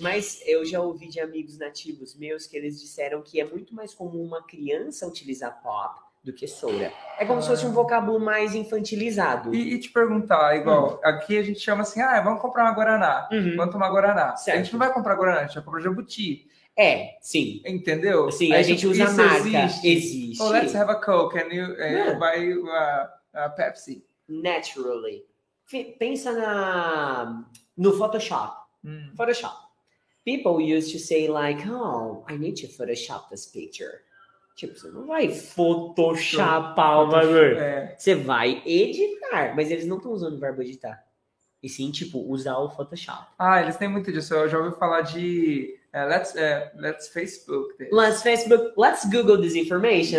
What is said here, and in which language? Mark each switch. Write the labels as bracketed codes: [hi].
[pt] Mas eu já ouvi de amigos nativos meus que eles disseram que é muito mais comum uma criança utilizar pop do que soda. É como se fosse um vocábulo mais infantilizado. E te perguntar, igual, aqui a gente chama assim, vamos comprar uma Guaraná. Uhum. Vamos tomar Guaraná. Certo. A gente não vai comprar Guaraná, a gente vai comprar jabuti. É, sim. Entendeu? Sim, a gente usa isso marca. Existe. [en] Oh, let's have a Coke and you buy a Pepsi. [pt] Naturally. Pensa no Photoshop. Photoshop. [en] People used to say like, I need to Photoshop this picture. [pt] Tipo, você não vai photoshopar o bagulho. Você vai editar. Mas eles não estão usando o verbo editar. E sim, tipo, usar o Photoshop. Ah, eles têm muito disso. Eu já ouvi falar de... [en] let's Facebook this. Let's Facebook. Let's Google this information.